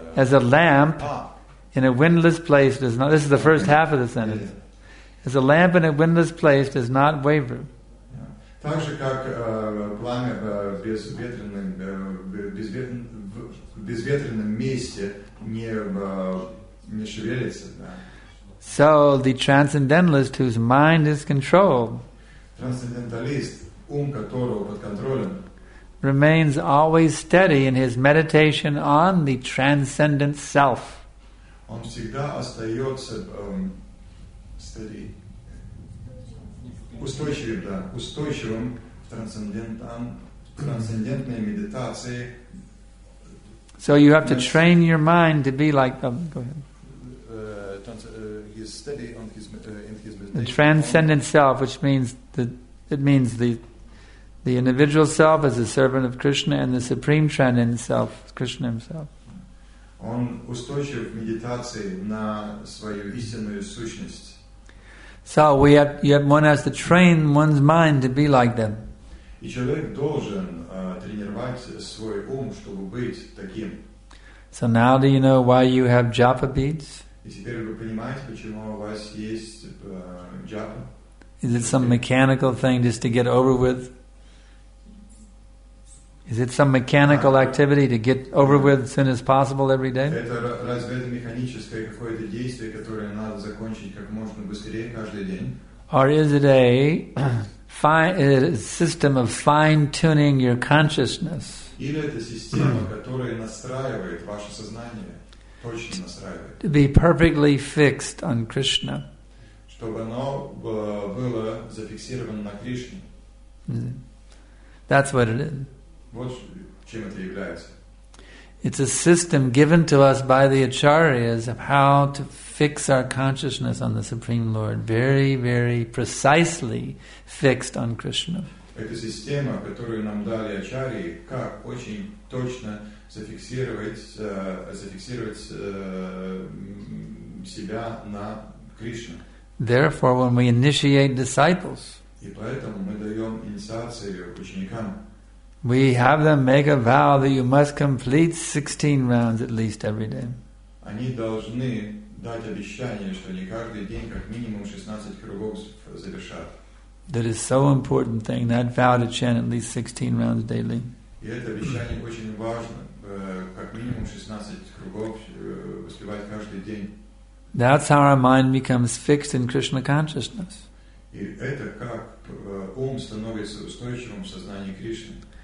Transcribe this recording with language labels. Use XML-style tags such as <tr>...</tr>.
<en>As a lamp in a windless place does not. This is the first half of the sentence. Yeah, yeah. As a lamp in a windless place does not waver.</en> <ru>Так же, как пламя в безветренном месте не шевелится. Да.</ru> <en>So the transcendentalist whose mind is controlled,</en> <ru>трансценденталист, ум которого под контролем,</ru> <en>remains always steady in his meditation on the transcendent self. Он всегда остается steady.</en> <ru>Устойчивым, да, устойчивым трансцендентной медитации.</ru> <en>So you have to train your mind to be like the. Go ahead. He's steady on his in his meditation. The transcendent self, which means the individual self as a servant of Krishna, and the supreme transcendent self, Krishna himself.</en> <ru>Он устойчив в медитации на свою истинную сущность.</ru> <en>So we have, one has to train one's mind to be like them.</en> <ru>И человек должен тренировать свой ум, чтобы быть таким.</ru> <en>So now do you know why you have japa beads?</en> <ru>И теперь вы понимаете, почему у вас есть джапа?</ru> <en>Is it some mechanical thing just to get over with? Is it some mechanical activity to get over with as soon as possible every day?</en> <ru>Это разве это механическое какое-то действие, которое надо закончить как можно быстрее каждый день?</ru> <en>Or is it a system of fine-tuning your consciousness?</en> <ru>Или это система, которая настраивает ваше сознание, точно настраивает.</ru> <en>To be perfectly fixed on Krishna.</en> <ru>Чтобы оно было зафиксировано на Кришне.</ru> <en>That's what it is.</en> <ru>Вот чем это является.</ru> <en>It's a system given to us by the acharyas of how to fix our consciousness on the Supreme Lord, very, very precisely fixed on Krishna.</en> <ru>Это система, которую нам дали ачарьи, как очень точно зафиксировать себя на Кришне.</ru> <en>Therefore, when we initiate disciples,</en> <ru>и поэтому мы даем инициацию ученикам.</ru> <en>We have them make a vow that you must complete 16 rounds at least every day.</en> <ru>Они должны дать обещание, что они каждый день как минимум 16 кругов завершат.</ru> <en>That is so important thing, that vow to chant at least 16 rounds daily.</en> <ru>И это обещание очень важно, как минимум 16 кругов воспевать каждый день.</ru> <en>That's how our mind becomes fixed in Krishna consciousness.</en> <ru>И это как ум становится устойчивым в сознании Кришны.</ru>